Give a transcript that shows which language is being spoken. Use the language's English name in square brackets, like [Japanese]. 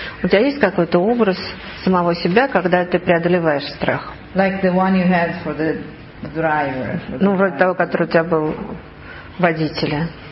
[Russian] У тебя есть какой-то образ самого себя, когда ты преодолеваешь страх? [English] Like the one you had for the driver. [Russian] Ну, вроде того, который у тебя был водителя.